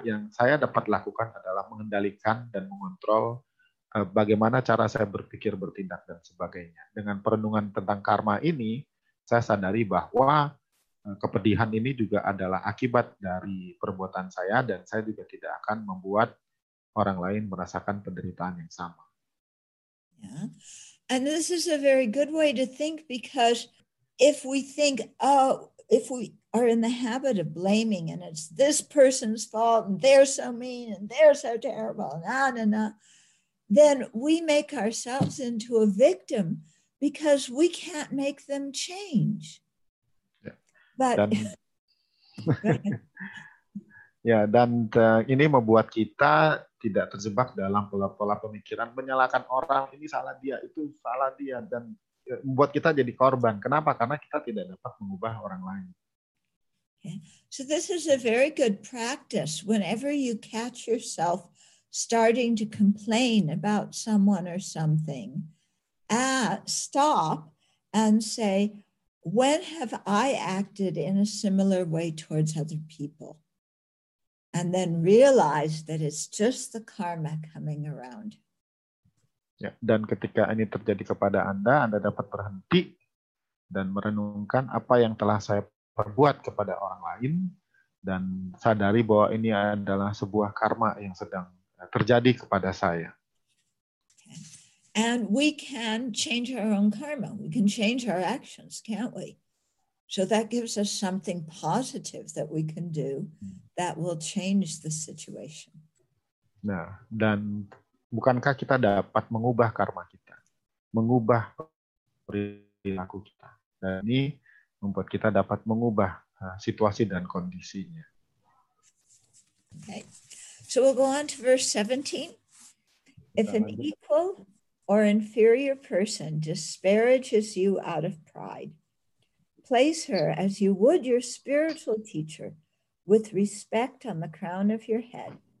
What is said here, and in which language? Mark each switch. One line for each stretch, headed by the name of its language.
Indonesian: Yang saya dapat lakukan adalah mengendalikan dan mengontrol bagaimana cara saya berpikir, bertindak, dan sebagainya. Dengan perenungan tentang karma ini, saya sadari bahwa kepedihan ini juga adalah akibat dari perbuatan saya, dan saya juga tidak akan membuat orang lain merasakan penderitaan yang sama.
English: Yeah. And this is a very good way to think, because if we think, if we are in the habit of blaming and it's this person's fault and they're so mean and they're so terrible, nah, nah, nah, then we make ourselves into a victim because we can't make them change. Yeah.
Indonesian: But dan, ya, dan ini membuat kita tidak terjebak dalam pola-pola pemikiran menyalahkan orang, ini salah dia, itu salah dia, dan membuat kita jadi korban. Kenapa? Karena kita tidak dapat mengubah orang lain.
English: Okay. So this is a very good practice. Whenever you catch yourself starting to complain about someone or something, stop and say, when have I acted in a similar way towards other people? And then realize that it's just the karma coming around.
Indonesian: Ya, dan ketika ini terjadi kepada Anda, Anda dapat berhenti dan merenungkan apa yang telah saya perbuat kepada orang lain, dan sadari bahwa ini adalah sebuah karma yang sedang terjadi kepada saya.
English: Okay. And we can change our own karma. We can change our actions, can't we? So that gives us something positive that we can do that will change the situation.
Indonesian: Nah, dan bukankah kita dapat mengubah karma kita, mengubah perilaku kita? Dan ini membuat kita dapat mengubah situasi dan kondisinya.
English: Okay, so we'll go on to verse 17. If an equal or inferior person disparages you out of pride, place her as you would your spiritual teacher with respect on the crown of your head.